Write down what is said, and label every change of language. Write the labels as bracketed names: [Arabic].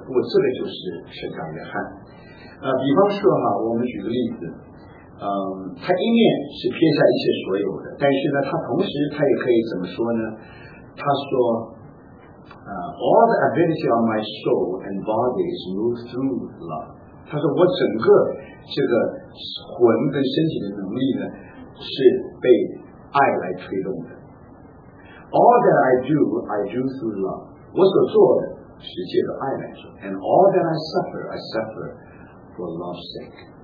[Chinese] 不过这个就是使徒约翰。比方说哈，我们举个例子，他一面是撇下一切所有的，但是呢，他同时他也可以怎么说呢？ [English] 他说all the ability of my soul and body is moved through love。 [Chinese] 他说我整个这个魂跟身体的能力呢，是被爱来推动的。 [English] All that I do through love。我所做的是借着爱来做。 And all that I suffer for love's sake。